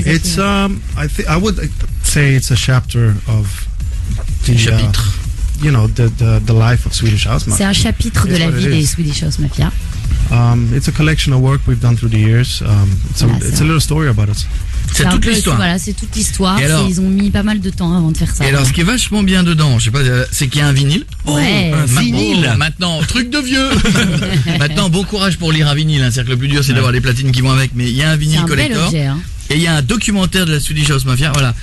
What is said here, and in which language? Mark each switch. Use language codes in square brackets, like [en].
[en] It's, I would say it's a chapter of [fr] the, chapitre. [en] You know, the life of Swedish House Mafia. [fr] C'est un chapitre de la vie des Swedish House Mafia. [en] It's a collection of work we've done through the years. It's a little story about us. [fr] C'est toute l'histoire. Voilà, c'est toute l'histoire. Alors, ils ont mis pas mal de temps avant de faire ça. Et alors, ce qui est vachement bien dedans, je sais pas, c'est qu'il y a un vinyle. Vinyle. Maintenant, truc de vieux. Maintenant, bon courage pour lire un vinyle. Hein. C'est-à-dire que le plus dur, c'est d'avoir les platines qui vont avec. Mais il y a un vinyle collector. C'est un bel objet. Et il y a un documentaire de la Swedish House Mafia. Voilà.